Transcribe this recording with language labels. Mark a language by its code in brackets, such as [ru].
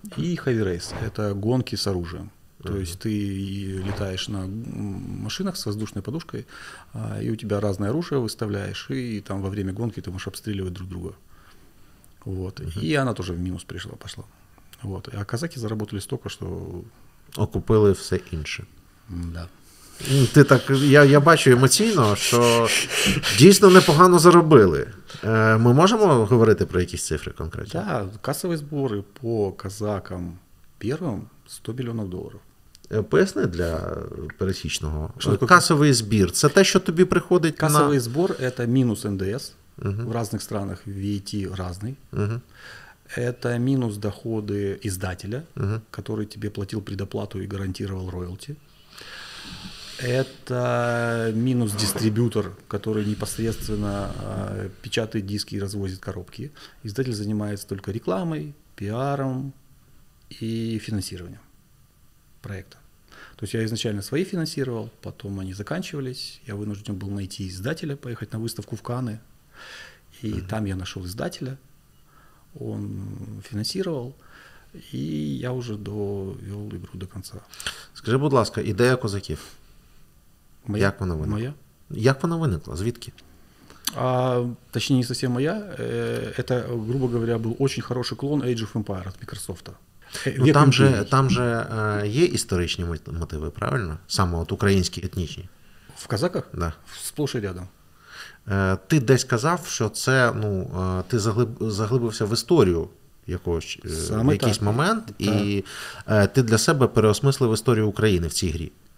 [ru] И Heavy Race — это гонки с оружием. То есть ты летаешь на машинах с воздушной подушкой, и у тебя разное оружие выставляешь, и там во время гонки ты можешь обстреливать друг друга. Вот. И она тоже в минус пришла, пошла. Вот. А казаки заработали столько, что... [uk] Окупили все інше. [ru] Да. [uk] Ти так, я бачу емоційно, що дійсно непогано заробили. Ми можемо говорити про якісь цифри конкретно? Так, да, касові збори по казакам первим 100 мільйонів доларів. Поясни для пересічного. Що касовий збір? Це те, що тобі приходить касовий на... Касовий збір – це мінус НДС. В різних странах VAT різний. Это мінус доходи іздателя, який тобі платив предоплату і гарантував роялті. [ru] Это минус дистрибьютор, который непосредственно печатает диски и развозит коробки. Издатель занимается только рекламой, пиаром и финансированием проекта. То есть я изначально свои финансировал, потом они заканчивались. Я вынужден был найти издателя, поехать на выставку в Канны. И там я нашел издателя, он финансировал. И я уже довел игру до конца. [uk] Скажи, будь ласка, идея «Козаків»? Моя? Як вона виникла? Моя? Як вона виникла? Звідки? [ru] А, точнее, не совсем моя. Это, грубо говоря, был очень хороший клон Age of Empires от Microsoft. [uk] Ну, там же є історичні мотиви, правильно? Саме от українські, етнічні. [ru] В казаках? Да. Сплошь і рядом. [uk] Ти десь казав, що це, ну, ти заглибився в історію якогось, в якийсь момент, і ти для себе переосмислив історію України в цій грі.